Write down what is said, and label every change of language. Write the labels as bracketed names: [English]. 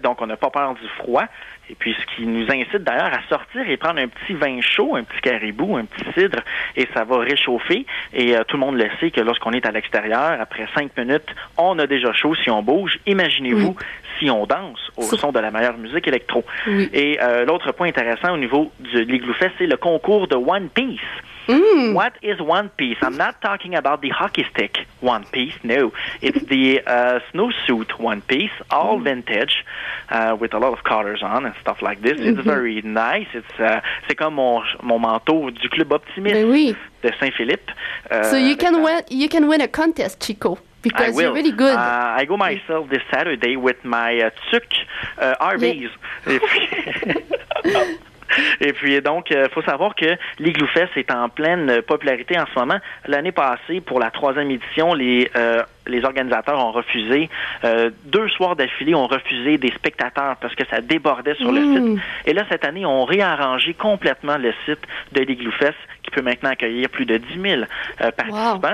[French] Donc, on n'a pas peur du froid. Et puis, ce qui nous incite d'ailleurs à sortir et prendre un petit vin chaud, un petit caribou, un petit cidre, et ça va réchauffer. Et tout le monde le sait que lorsqu'on est à l'extérieur, après 5 minutes, on a déjà chaud si on bouge. Imaginez-vous si on danse au son de la meilleure musique électro. Oui. Et l'autre point intéressant au niveau de l'Igloo Fest, c'est le concours de One Piece. [English] What is One Piece? I'm not talking about the hockey stick One Piece, no. It's the snowsuit One Piece, all vintage, with a lot of colors on and stuff like this. It's very nice. It's [French] c'est comme mon manteau du club optimiste de Saint-Philippe. [English] So you can win a contest, Chico. Because I will. You're really good. I go myself this Saturday with my tuk RVs. [French] Et puis, donc, faut savoir que l'Igloo Fest est en pleine popularité en ce moment. L'année passée, pour la 3e édition, les les organisateurs ont refusé. Deux soirs d'affilée ont refusé des spectateurs parce que ça débordait sur le site. Et là, cette année, on réarrangé complètement le site de l'Igloo Fest, qui peut maintenant accueillir plus de 10 000 participants.